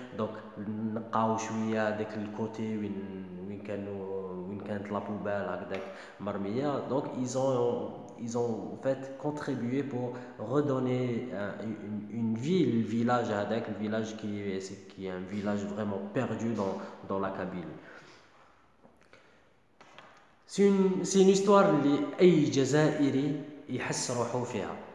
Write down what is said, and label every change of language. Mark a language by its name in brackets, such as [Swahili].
[Arabic] دونك نقاو شويه داك الكوتي وين كانوا وين كانت لا بوبال هكذاك مرميه. [French] دونك ils ont en fait contribué pour redonner une ville, le village هذاك, le village qui est un village vraiment perdu dans la Kabylie. C'est une histoire [Arabic] اللي اي جزائري يحس روحه فيها.